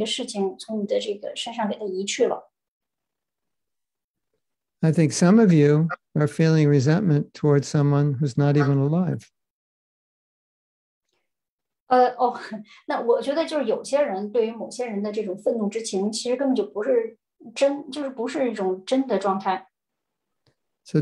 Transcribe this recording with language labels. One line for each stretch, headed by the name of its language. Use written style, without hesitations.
Chinese: 那其实就是当你原谅了这个人之后呢，其实你也就是让这个人曾经对你做的这个事情从你的这个身上给他移去了。
English: I think some of you are feeling resentment towards someone who's not even alive.
Chinese: 那我觉得就是有些人对于某些人的这种愤怒之情，其实根本就不是真的状态。
English: So